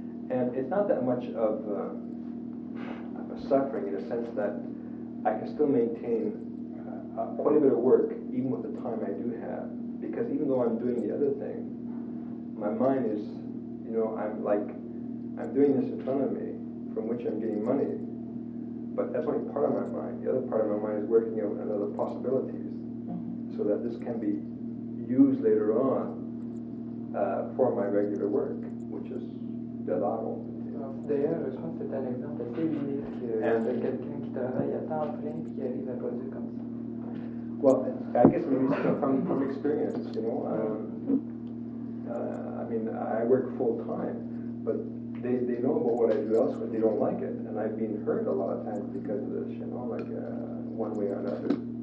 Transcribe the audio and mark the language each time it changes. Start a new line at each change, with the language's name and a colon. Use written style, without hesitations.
English: And it's not that much of suffering, in a sense that I can still maintain quite a bit of work even with the time I do have, because even though I'm doing the other thing, my mind is, you know, I'm like, I'm doing this in front of me, from which I'm getting money, but that's only part of my mind. The other part of my mind is working out another possibilities, so that this can be used later on for my regular work, which is the lotto.
French: D'ailleurs, je pense que c'est un exemple assez unique de quelqu'un qui travaille à temps plein et qui arrive à produire comme ça.
English: Well, I guess maybe it's from experience, you know. I mean, I work full time, but they know about what I do elsewhere. They don't like it, and I've been hurt a lot of times because of this, you know, like one way or another.